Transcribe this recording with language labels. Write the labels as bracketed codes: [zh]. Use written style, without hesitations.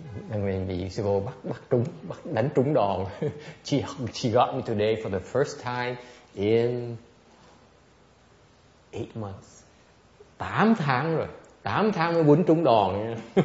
[vi] Đang mình bị sư cô bắt đánh trúng đòn. [en] She got me today for the first time in 8 months. [vi] 8 tháng rồi. 8 tháng mới quýnh trúng đòn.